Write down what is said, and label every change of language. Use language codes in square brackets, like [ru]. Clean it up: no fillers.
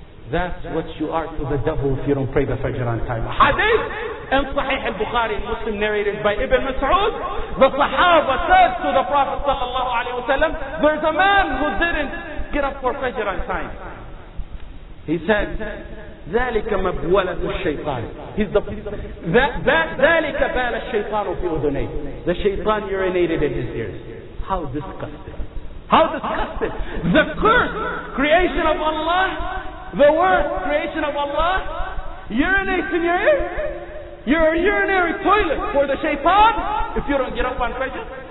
[en] That's what you are to the devil if you don't pray the Fajr on time. Hadith in Sahih al-Bukhari, Muslim, narrated by Ibn Mas'ud. The Sahaba said to the Prophet sallallahu alayhi wa sallam, there's a man who didn't get up for Fajr on time. He said, [ar] ذلك مبولة الشيطان. [en] He's the [ar] ذلك بال الشيطان في أذنيه. [en] The shaitan urinated in his ears. How disgusting. How disgusting. The curse, creation of Allah, the worst creation of Allah, urinates in your ear. You're a urinary toilet for the shaitan if you don't get up on Fajr.